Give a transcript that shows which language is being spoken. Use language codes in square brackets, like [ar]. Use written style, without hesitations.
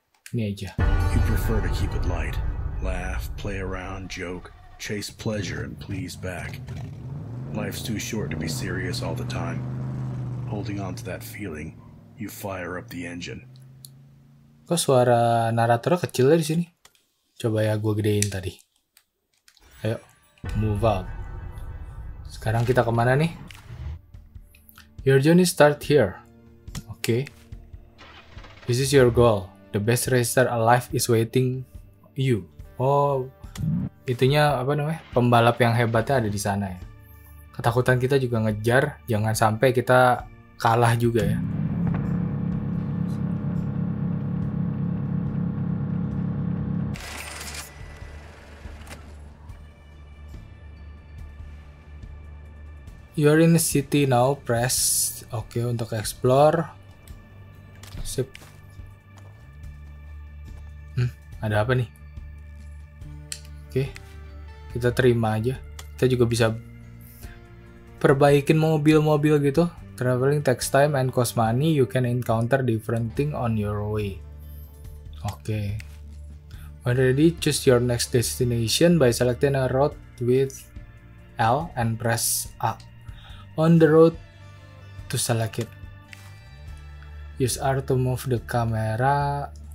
[id] Ini aja. [en] You prefer to keep it light. Laugh, play around, joke, chase pleasure and please back. Life's too short to be serious all the time. Holding on to that feeling, you fire up the engine. [id] Kok suara naratornya kecilnya di sini? Coba ya gue gedein tadi. Ayo, [en] move up. [id] Sekarang kita kemana nih? [en] Your journey start here. Oke. Okay. This is your goal. The best racer alive is waiting you. [id] Oh, itunya apa namanya? Pembalap yang hebatnya ada di sana ya. Ketakutan kita juga ngejar, jangan sampai kita kalah juga ya. [en] You are in the city now, press okay untuk explore. Sip. [id] Ada apa nih? Oke. Okay. Kita terima aja. Kita juga bisa perbaikin mobil-mobil gitu. [en] Traveling takes time and cost money. You can encounter different thing on your way. Oke. Okay. When ready, choose your next destination by selecting a route with L and press A. On the road to select it. Use R to move the camera.